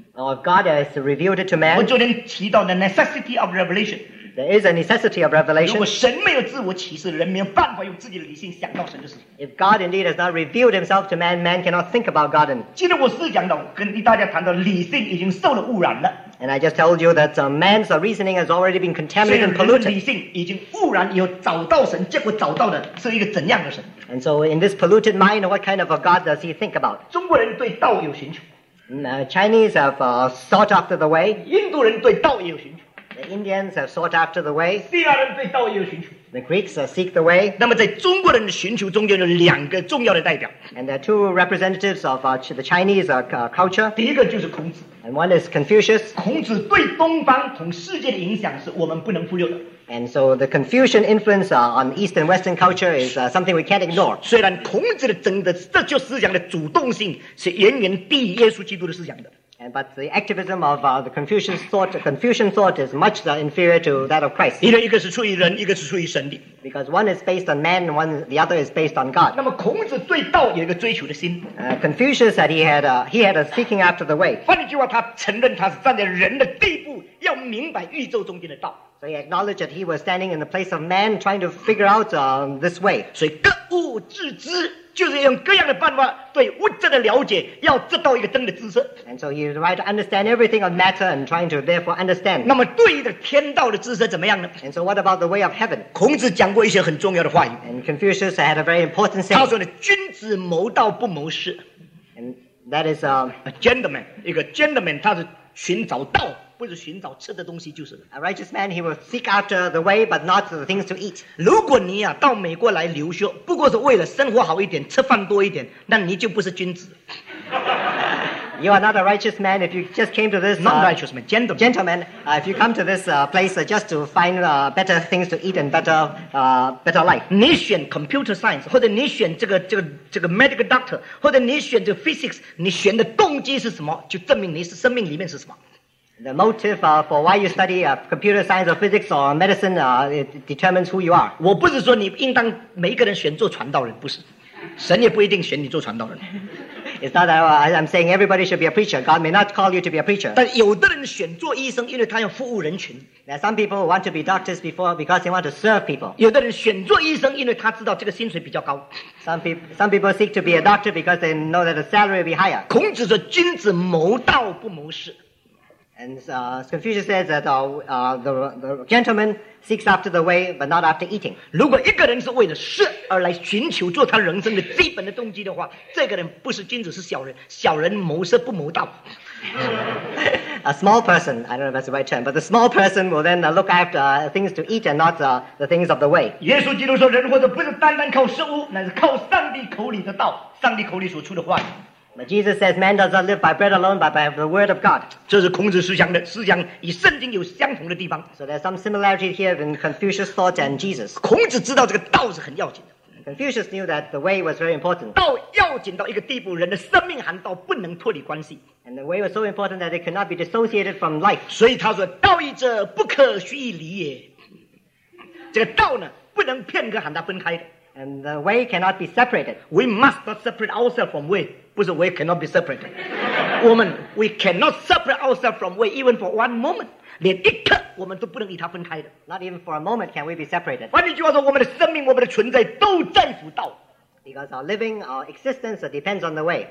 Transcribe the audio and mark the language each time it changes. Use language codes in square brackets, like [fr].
[en] Or God has revealed it to man. [zh] 我昨天提到 [en] the necessity of revelation. There is a necessity of revelation. [zh] 如果神没有自我启示，人没有办法用自己的理性想到神的事。 [en] If God indeed has not revealed himself to man, man cannot think about God. [zh] 今天我是讲到跟大家谈到理性已经受了污染了。 [en] And I just told you that man's reasoning has already been contaminated and polluted. [zh] 理性已经污染以后找到神，结果找到的是一个怎样的神？ [en] And so in this polluted mind, what kind of a God does he think about? [zh] 中国人对道有寻求。 [en] Chinese have sought after the way. [zh] 印度人对道也有寻求。 [en] The Indians have sought after the way. [zh] 希腊人对道也有寻求。 [en] The Greeks seek the way. [zh] 那么在中国人的寻求中间有两个重要的代表。 [en] And there are two representatives of the Chinese culture. [zh] 第一个就是孔子。 [en] And one is Confucius. [zh] 孔子对东方同世界的影响是我们不能忽略的。 [en] And so the Confucian influence on East and Western culture is something we can't ignore. [zh] 虽然孔子的整个哲学思想的主动性是远远低于耶稣基督的思想的。 [en] And but the activism of the Confucian thought is much inferior to that of Christ. [zh] 因为一个是出于人，一个是出于神的。 [en] Because one is based on man, one the other is based on God. [zh] 那么孔子对道有一个追求的心。 [en] Confucius said he had a seeking after the way. [zh] 换一句话，他承认他是站在人的地步，要明白宇宙中间的道。 [en] So he acknowledged that he was standing in the place of man, trying to figure out this way. [zh] 所以格物致知，就是用各样的办法对物质的了解，要知道一个真的知识。 [en] And so he is trying to understand everything of matter and trying to therefore understand. [zh] 那么对的天道的知识怎么样呢？ [en] And so what about the way of heaven? [zh] 孔子讲过一些很重要的话语。 [en] And Confucius had a very important saying. [zh] 他说的君子谋道不谋事。 [en] And that is a gentleman. [zh] 一个 gentleman 他是寻找道。不是寻找吃的东西就是。 [en] A righteous man, he will seek after the way, but not the things to eat. [zh] 如果你啊到美国来留学，不过是为了生活好一点，吃饭多一点，那你就不是君子。 [en] You are not a righteous man if you just came to this. Not righteous man, gentleman. Gentleman, if you come to this place just to find better things to eat and better life. [zh] 你选 computer science, 或者你选这个 medical doctor, 或者你选这 physics, 你选的动机是什么？就证明你是生命里面是什么。 [en] The motive for why you study computer science or physics or medicine it determines who you are. [zh] 我不是说你应当每一个人选做传道人，不是，神也不一定选你做传道人。 [en] It's not that I'm saying everybody should be a preacher. God may not call you to be a preacher. [zh] 但有的人选做医生，因为他要服务人群。 [en] Now, some people want to be doctors because they want to serve people. [zh] 有的人选做医生，因为他知道这个薪水比较高。 [en] Some people seek to be a doctor because they know that the salary will be higher. [zh] 孔子说：“君子谋道不谋事。” [en] And Confucius says that the gentleman seeks after the way, but not after eating. [zh] 如果一个人是为了事而来寻求做他人生的基本的动机的话，这个人不是君子，是小人。小人谋事不谋道。 [en] A small person, I don't know if that's the right term, but the small person will then look after things to eat and not the things of the way. [zh] 耶稣基督说，人活着不是单单靠食物，乃是靠上帝口里的道，上帝口里所出的话。 [en] But Jesus says, man does not live by bread alone, but by the word of God. [zh] 这是孔子思想的，思想与圣经有相同的地方。 [en] So there's some similarity here in Confucius' thought and Jesus. [zh] 孔子知道这个道是很要紧的。 [en] Confucius knew that the way was very important. [zh] 道要紧到一个地步，人的生命含道不能脱离关系。 [en] And the way was so important that it could not be dissociated from life. [zh] 所以他说，道义者不可须臾离也。这个道呢，不能片刻和它分开的。 [en] And the way cannot be separated. We must not separate ourselves from way. [zh] 不是 [en] way cannot be separated. Woman, we cannot separate ourselves from way even for one moment. [zh] 连一刻我们都不能与它分开的。 [en] Not even for a moment can we be separated. [zh] 换句话说，我们的生命，我们的存在都在乎道。 [en] Because our living, our existence depends on the way.